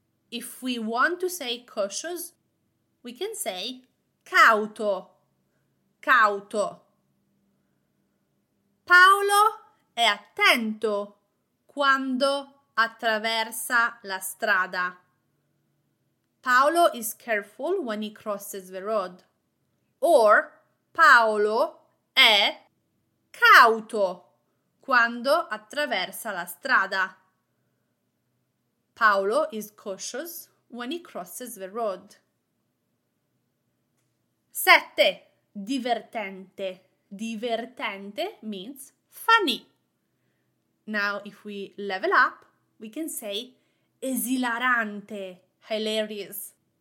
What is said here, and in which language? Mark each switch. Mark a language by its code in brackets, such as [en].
[en] If we want to say cautious, we can say cauto. Cauto. [it] Paolo è attento quando attraversa la strada. [en] Paolo is careful when he crosses the road. [it] Or Paolo è cauto quando attraversa la strada. [en] Paolo is cautious when he crosses the road. 7. Divertente. Divertente means funny. Now if we level up, we can say esilarante. Hilarious.